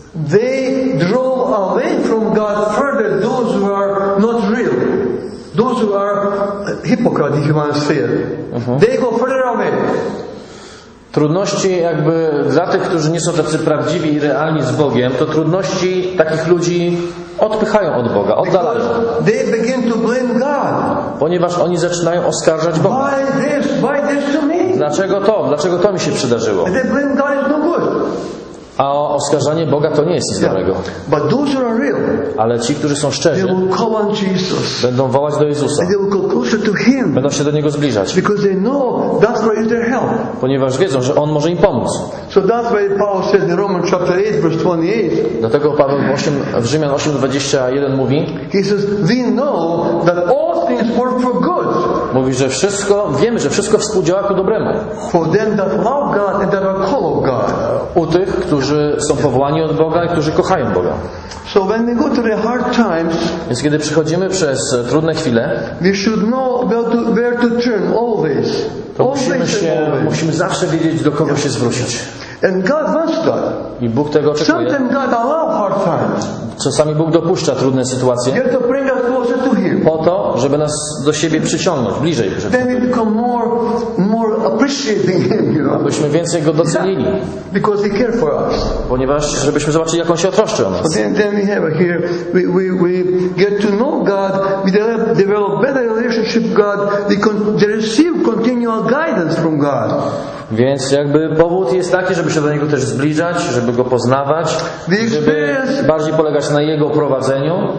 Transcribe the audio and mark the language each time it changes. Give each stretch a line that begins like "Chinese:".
English: They draw away from God further those who are not real, those who are hypocrites, if you want to say it. They go further away.
Polish: Trudności jakby dla tych, którzy nie są tacy prawdziwi i realni z Bogiem, to trudności takich ludzi odpychają od Boga, oddalają.
English: They begin to blame God.
Polish: Ponieważ oni zaczynają oskarżać Boga.
English: Why this? Why this to me?
Polish: Dlaczego to? Dlaczego to mi się przydarzyło?
English: They blame God is no good.
Polish: A oskarżanie Boga to nie jest nic dobrego.
English: But those who are real,
Polish: ale ci, którzy są szczerzy,
English: they will call on Jesus,
Polish: będą wołać do Jezusa.
English: They will go closer to him,
Polish: będą się do Niego zbliżać.
English: Because they know that's where is their help.
Polish: Ponieważ wiedzą, że On może im pomóc.
English: So that's why Paul says in Romans chapter 8, verse 28,
Polish: dlatego Paweł w Rzymian 8:21 mówi,
English: he says, we know that all things work for good.
Polish: Mówi, że wszystko, wiemy, że wszystko współdziała ku dobremu.
English: For them that love God and that are called of God.
Polish: U tych, którzy są powołani od Boga i którzy kochają Boga.
English: So when we go to the hard times,
Polish: więc kiedy przechodzimy przez trudne chwile,
English: we should know where to turn always.
Polish: To musimy zawsze wiedzieć, do kogo się zwrócić.
English: And God wants that.
Polish: I Bóg tego oczekuje.
English: Sometimes God allows hard times.
Polish: Czasami Bóg dopuszcza trudne sytuacje.
English: Yet to bring us closer to him.
Polish: Po to, żeby nas do siebie przyciągnąć, bliżej.
English: Then we become more appreciating him, you know?
Polish: Abyśmy więcej Go docenili.
English: Yeah. Because he cares for us.
Polish: Ponieważ, żebyśmy zobaczyli, jak On się troszczy o nas.
English: But then we have here, we get to know God, we develop better relationship with God, we receive continual guidance from God.
Polish: Więc jakby powód jest taki, żeby się do Niego też zbliżać, żeby Go poznawać, żeby bardziej polegać na Jego prowadzeniu.